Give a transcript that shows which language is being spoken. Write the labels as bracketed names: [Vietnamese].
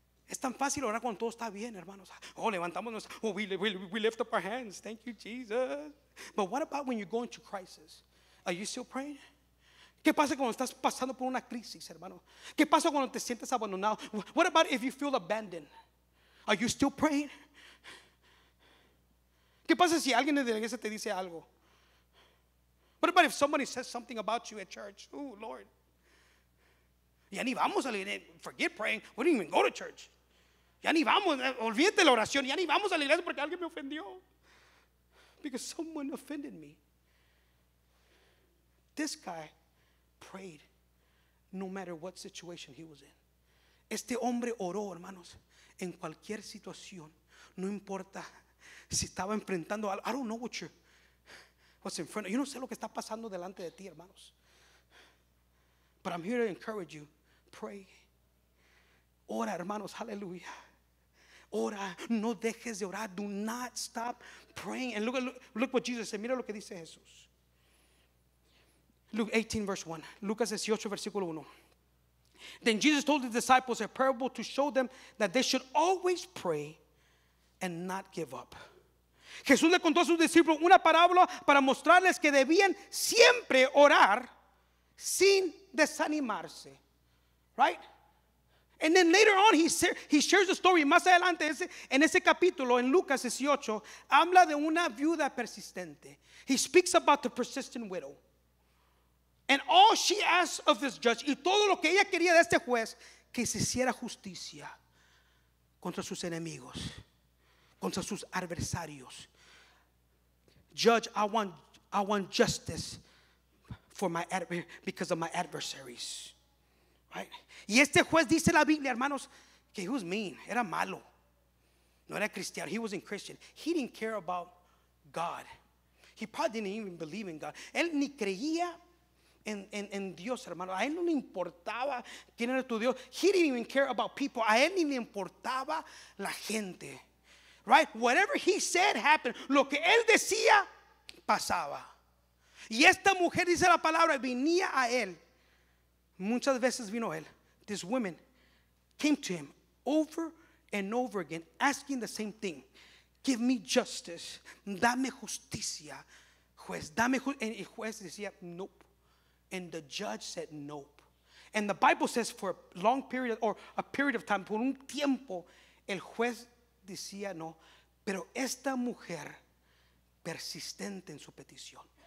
[Spanish] Es tan fácil orar cuando todo está bien, hermanos. Oh, levantamos nuestra. [English] Oh, we lift up our hands. Thank you, Jesus. But what about when you're going through crisis? Are you still praying? [Spanish] ¿Qué pasa cuando estás pasando por una crisis, hermano? ¿Qué pasa cuando te sientes abandonado? [English] What about if you feel abandoned? Are you still praying? [Spanish] ¿Qué pasa si alguien de la iglesia te dice algo? [English] What about if somebody says something about you at church? [Spanish] Oh, Lord. Ya ni vamos a la iglesia. [English] Forget praying. We didn't even go to church. [Spanish] Ya ni vamos. Olvídate la oración. Ya ni vamos a la iglesia porque alguien me ofendió. [English] Because someone offended me. This guy prayed no matter what situation he was in. [Spanish] Este hombre oró, hermanos, en cualquier situación. No importa si estaba enfrentando algo. [English] I don't know what you're. What's in front of you? [Spanish] No sé lo que está pasando delante de ti, hermanos. [English] But I'm here to encourage you. Pray. [Spanish] Ora, hermanos. [English] Hallelujah. [Spanish] Ora. No dejes de orar. [English] Do not stop praying. And look what Jesus said. [Spanish] Mira lo que dice Jesús. [English] Luke 18, verse 1. [Spanish] Lucas 18, versículo 1. [English] Then Jesus told the disciples a parable to show them that they should always pray and not give up. [Spanish] Jesús le contó a sus discípulos una parábola para mostrarles que debían siempre orar sin desanimarse, right? [English] And then later on he shares the story. [Spanish] Más adelante en ese capítulo en Lucas 18 habla de una viuda persistente. [English] He speaks about the persistent widow. And all she asked of this judge, [Spanish] y todo lo que ella quería de este juez, que se hiciera justicia contra sus enemigos, contra sus adversarios. [English] Judge, I want justice for my because of my adversaries. [Spanish] Right? Y este juez dice la Biblia, hermanos, que [English] he was mean. [Spanish] Era malo. No era cristiano. [English] He wasn't Christian. He didn't care about God. He probably didn't even believe in God. [Spanish] Él ni creía en Dios, hermano. A él no le importaba quién era tu Dios. [English] He didn't even care about people. [Spanish] A él ni le importaba la gente. [English] Right? Whatever he said happened. [Spanish] Lo que él decía, pasaba. Y esta mujer, dice la palabra, venía a él. Muchas veces vino él. [English] This woman came to him over and over again, asking the same thing. Give me justice. [Spanish] Dame justicia, juez. Dame justicia. [English] And the [Spanish] juez decía, [English] nope. And the judge said, nope. And the Bible says for a long period, or a period of time, [Spanish] por un tiempo, el juez decía no, pero esta mujer persistente en su petición.